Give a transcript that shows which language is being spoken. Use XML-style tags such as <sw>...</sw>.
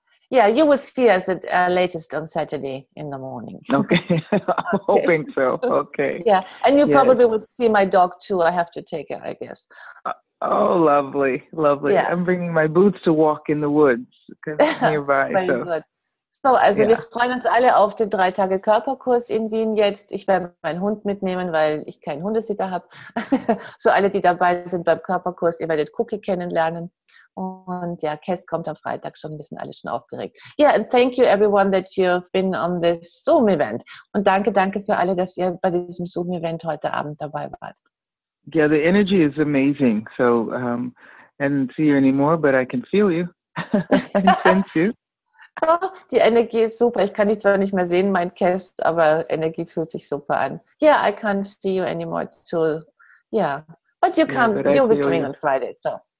<en>Yeah, you will see us at latest on Saturday in the morning. Okay, I'm okay. Hoping so. Okay. Yeah, and you probably will see my dog too. I have to take her, I guess. Oh, lovely, lovely. Yeah. I'm bringing my boots to walk in the woods nearby. Very good.</en> <de>So, also wir freuen uns alle auf den 3 Tage Körperkurs in Wien jetzt. Ich werde meinen Hund mitnehmen, weil ich keinen Hundesitter habe. So alle, die dabei sind beim Körperkurs, ihr werdet Cookie kennenlernen. Und ja, Kes kommt am Freitag schon, wir sind alle schon aufgeregt.</de> <en>Yeah, and thank you everyone that you've been on this Zoom-Event.</en> <de>Und danke für alle, dass ihr bei diesem Zoom-Event heute Abend dabei wart.</de> <en>Yeah, the energy is amazing. So, I didn't see you anymore, but I can feel you. I sense you.</en> <de>Die Energie ist super. Ich kann dich zwar nicht mehr sehen, mein Cast, aber Energie fühlt sich super an.</de> <en>Yeah, I can't see you anymore too. Yeah, but you come, you'll be coming on Friday. So.</en>